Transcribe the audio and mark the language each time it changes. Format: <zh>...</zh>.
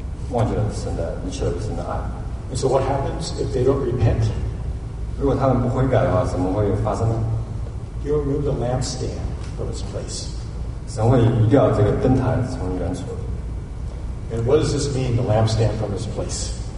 <en>And so what happens if they don't repent?</en> <zh>如果他们不悔改的话，怎么会发生呢？</zh> <en>He will remove the lampstand from its place.</en> <zh>神会移掉这个灯台从原处。</zh> <en>And what does this mean, the lampstand from its place?</en>